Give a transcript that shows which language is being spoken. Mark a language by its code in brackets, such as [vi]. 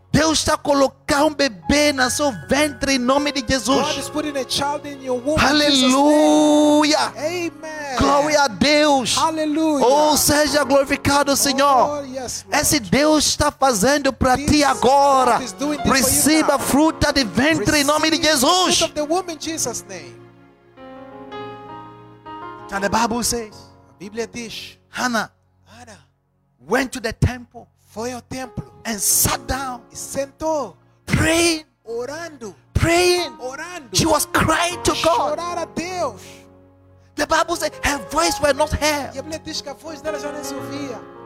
[pt] Deus está colocando um bebê na seu ventre em nome de Jesus. [en] God is putting a child in your womb. Aleluia. Amen. [pt] Glória a Deus. Aleluia. Oh, seja glorificado, Senhor. [en] Oh, yes, [pt] esse Deus está fazendo para ti agora. Receba a fruta de ventre [en] receive [pt] em nome de Jesus. [en] The fruit of the woman in Jesus' name. And the Bible says, [pt] a Bíblia diz, [en] Hannah went to the temple. [pt] Foi ao templo. [en] And sat down. [pt] E sentou. [en] Praying. [pt] Orando. [en] Praying. [pt] Orando. [en] She was crying to [pt] chorar [en] God. [pt] Chorar a Deus. [en] The Bible says her voice was not heard. [pt] E a Bíblia diz que a voz dela já não se ouvia.